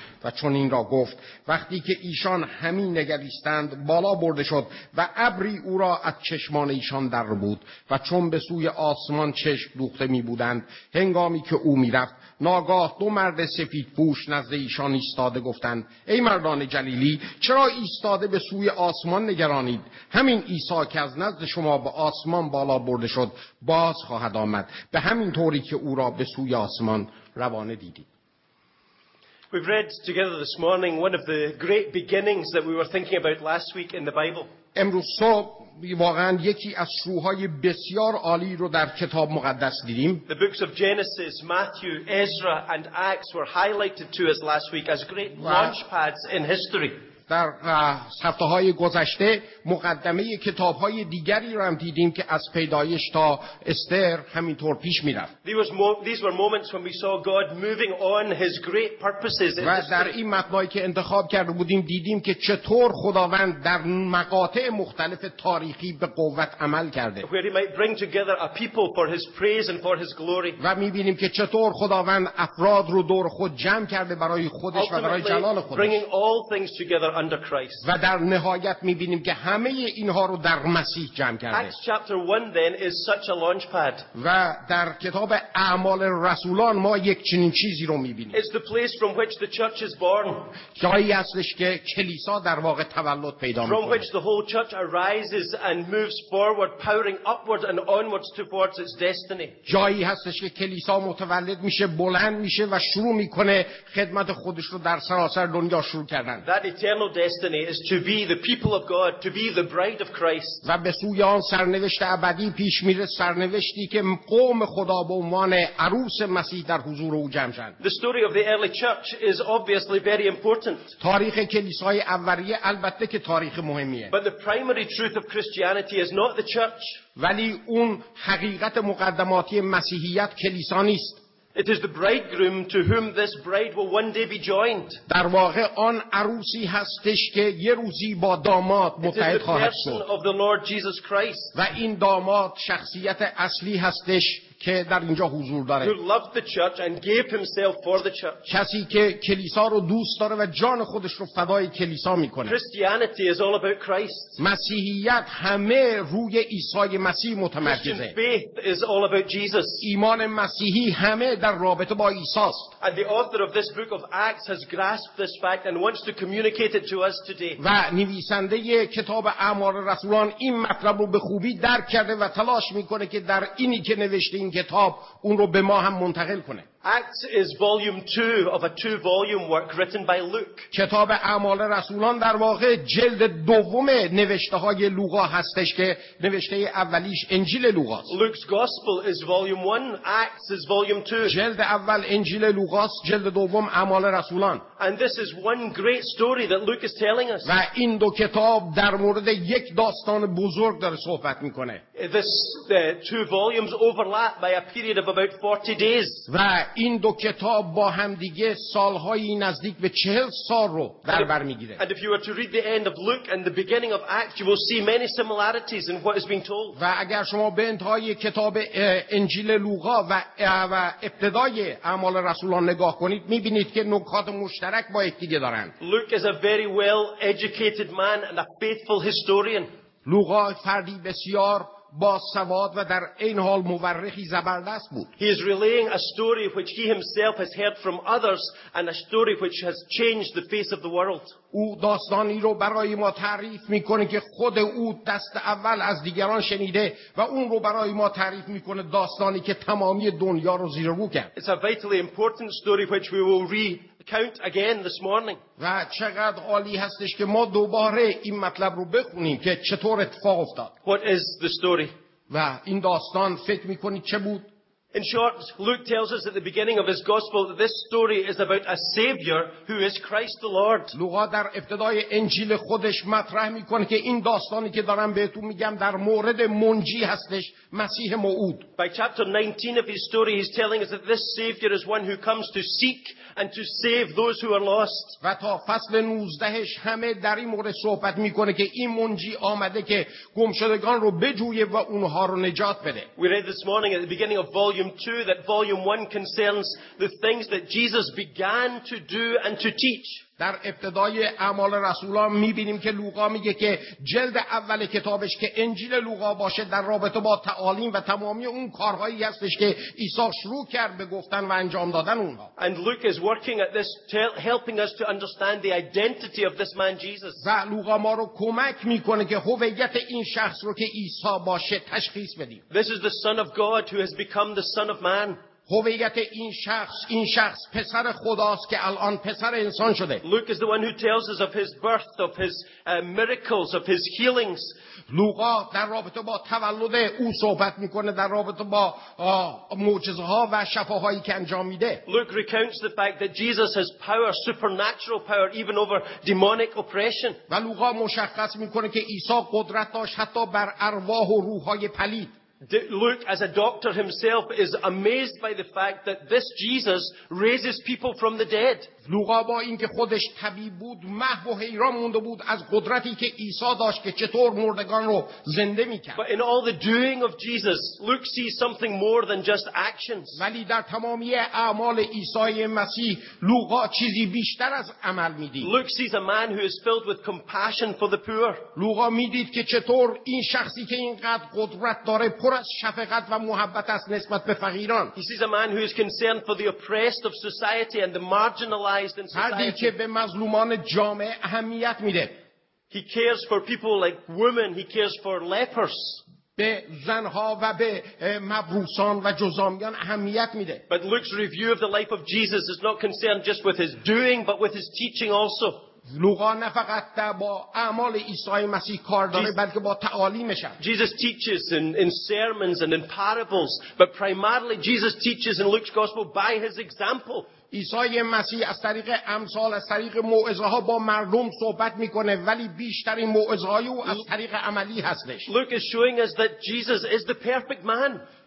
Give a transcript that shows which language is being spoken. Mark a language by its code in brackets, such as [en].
[fa] و چون این را گفت، وقتی که ایشان همین نگریستند بالا برده شد و ابری او را از چشمان ایشان در بود، و چون به سوی آسمان چشم دوخته می بودند هنگامی که او می رفت، ناگاه دو مرد سفید پوش نزد ایشان ایستاده گفتند: ای مردان جلیلی، چرا ایستاده به سوی آسمان نگرانید؟ همین عیسی که از نزد شما به آسمان بالا برده شد باز خواهد آمد به همین طوری که او را به سوی آسمان روانه دیدید. [en] We've read together this morning one of the great beginnings that we were thinking about last week in the Bible. [fa] امروز صبح واقعاً یکی از شروع‌های بسیار عالی رو در کتاب مقدس دیدیم. [en] The books of Genesis, Matthew, Ezra and Acts were highlighted to us last week as great launch pads in history. [fa] در هفته های گذشته مقدمه کتاب های دیگری را هم دیدیم که از پیدایش تا استر همینطور پیش می رفت. [en] These were moments when we saw God moving on his great purposes. [fa] و در این مقطعی که انتخاب کرده بودیم دیدیم که چطور خداوند در مقاطع مختلف تاریخی به قوت عمل کرده. [en] Where he might bring together a people for his praise and for his glory. [fa] و می بینیم که چطور خداوند افراد رو دور خود جمع کرده برای خودش و برای جلال خودش. [en] Bringing all things together under Christ. [fa] و در نهایت می‌بینیم که همه اینها رو در مسیح جمع کرده. [en] Acts chapter 1 then is such a launch pad. [fa] و در کتاب اعمال رسولان ما یک چنین چیزی رو می‌بینیم. [en] It's the place from which the church is born. [fa] جایی هستش که کلیسا در واقع تولد پیدا می‌کنه. [en] From which the whole church arises and moves forward, powering upwards and onwards towards its destiny. [fa] جایی هستش که کلیسا متولد میشه، بلند میشه و شروع می‌کنه خدمت خودش رو در سراسر دنیا شروع کردن. [en] Eternal destiny is to be the people of God, to be the bride of Christ. [fa] و به سوی آن سرنوشت ابدی پیش میره، سرنوشتی که قوم خدا به عنوان عروس مسیح در حضور او جمع شدند. [en] The story of the early church is obviously very important. [fa] تاریخ کلیسای اولیه البته که تاریخ مهمیه. [en] But the primary truth of Christianity is not the church. [fa] ولی اون حقیقت مقدماتی مسیحیت کلیسا نیست. [en] It is the bridegroom to whom this bride will one day be joined. [fa] در واقع آن عروسی هستش که یه روزی با داماد متحد خواهد شد. [en] It is the person of the Lord Jesus Christ. [fa] و این داماد شخصیت اصلی هستش که در اینجا حضور داره. [en] Who loved the church and gave himself for the church. [fa] کسی که کلیسا رو دوست داره و جان خودش رو فدای کلیسا میکنه. [en] Christianity is all about Christ. [fa] مسیحیت همه روی عیسی مسیح متمرکزه. [en] Faith is all about Jesus. [fa] ایمان مسیحی همه در رابطه با عیسی است. [en] And the author of this book of Acts has grasped this fact and wants to communicate it to us today. [fa] و نویسنده کتاب اعمال رسولان این مطلب رو به خوبی درک کرده و تلاش میکنه که در اینی که نوشته این کتاب اون رو به ما هم منتقل کنه. [en] Acts is volume 2 of a 2-volume work written by Luke. [fa] کتاب اعمال رسولان در واقع جلد دوم نوشته های لوقا هستش که نوشته اولیش انجیل لوقا است. [en] Luke's gospel is volume 1, Acts is volume 2. [fa] جلد اول انجیل لوقا است، جلد دوم اعمال رسولان. [en] And this is one great story that Luke is telling us. [fa] و این دو کتاب در مورد یک داستان بزرگ داره صحبت میکنه. [en] The two volumes overlap by a period of about 40 days. [fa] و این دو کتاب با هم دیگه سالهای نزدیک به 40 سال رو در بر میگیره. [en] And if you were to read the end of Luke and the beginning of Acts, you will see many similarities in what is being told. [fa] و اگر شما به انتهای کتاب انجیل لوقا و ابتدای اعمال رسولان نگاه کنید، میبینید که نکات مشترک با یکدیگه دارند. [en] Luke is a very well educated man and a faithful historian. [fa] لوقا فردی بسیار با سواد و در این حال مورخی زبردست بود. [en] He is relaying a story which he himself has heard from others and a story which has changed the face of the world. [fa] او داستانی رو برای ما تعریف میکنه که خود او دست اول از دیگران شنیده و اون رو برای ما تعریف میکنه، داستانی که تمامی دنیا رو زیر رو کرد. [en] It's a vitally important story which we will recount again this morning. [fa] و چقدر عالی هستش که ما دوباره این مطلب رو بخونیم که چطور اتفاق افتاد. [en] What is the story? [fa] و این داستان فکر میکنی چه بود؟ [en] In short, Luke tells us at the beginning of his gospel that this story is about a savior who is Christ the Lord. [fa] لوقا در ابتدای انجیل خودش مطرح میکنه که این داستانی که دارم بهتون میگم در مورد منجی هستش، مسیح موعود. [en] By chapter 19 of his story, he's telling us that this savior is one who comes to seek and to save those who are lost. [fa] و تا فصل 19ش همه در این مورد صحبت میکنه که این منجی آمده که گمشدگان رو بجویه و اونها رو نجات بده. [en] We read this morning at the beginning of Volume 2, that volume 1 concerns the things that Jesus began to do and to teach. [fa] در ابتدای اعمال رسولان می‌بینیم که لوقا میگه که جلد اول کتابش که انجیل لوقا باشه در رابطه با تعالیم و تمامی اون کارهایی هستش که عیسی شروع کرد به گفتن و انجام دادن اونها. [en] And Luke is working at this helping us to understand the identity of this man Jesus. [fa] و لوقا ما رو کمک می‌کنه که هویت این شخص رو که عیسی باشه تشخیص بدیم. [en] This is the son of God who has become the son of man. [fa] هویت این شخص، این شخص پسر خداست که الان پسر انسان شده. [en] Luke is the one who tells us of his birth, of his miracles, of his healings. [fa] لوقا در رابطه با تولد او صحبت میکنه، در رابطه با معجزه ها و شفاهایی که انجام میده. [en] Luke recounts the fact that Jesus has power, supernatural power, even over demonic oppression. [fa] و لوقا مشخص میکنه که عیسی قدرت داشت حتی بر ارواح و روح‌های پلید. [en] Luke, as a doctor himself, is amazed by the fact that this Jesus raises people from the dead. [fa] لوقا با اینکه خودش طبیب بود، محو و حیران مونده بود از قدرتی که عیسی داشت که چطور مردگان رو زنده می‌کرد. [en] But in all the doing of Jesus, Luke sees something more than just actions. [fa] ولی در تمامی اعمال عیسی مسیح، لوقا چیزی بیشتر از عمل می‌دید. [en] Luke sees a man who is filled with compassion for the poor. [fa] لوقا می‌دید که چطور این شخصی که اینقدر قدرت داره پر از شفقت و محبت است نسبت به فقیران. [en] He sees a man who is concerned for the oppressed of society and the marginalized. [fa] فردی که به مظلومان جامعه اهمیت میده. [en] He cares for people like women. He cares for lepers. [fa] به زنها و به مبروسان و جذامیان اهمیت میده. [en] But Luke's review of the life of Jesus is not concerned just with his doing, but with his teaching also. [fa] لوقا نه فقط با اعمال عیسی مسیح کار داره، بلکه با تعالیمش. [en] Jesus teaches in sermons and in parables, but primarily Jesus teaches in Luke's gospel by his example. [fa] عیسی مسیح از طریق امثال، از طریق موعظه ها با مردم صحبت میکنه، ولی بیشترین موعظه های او از طریق عملی هستش. [en] Luke is showing us that Jesus is the perfect man.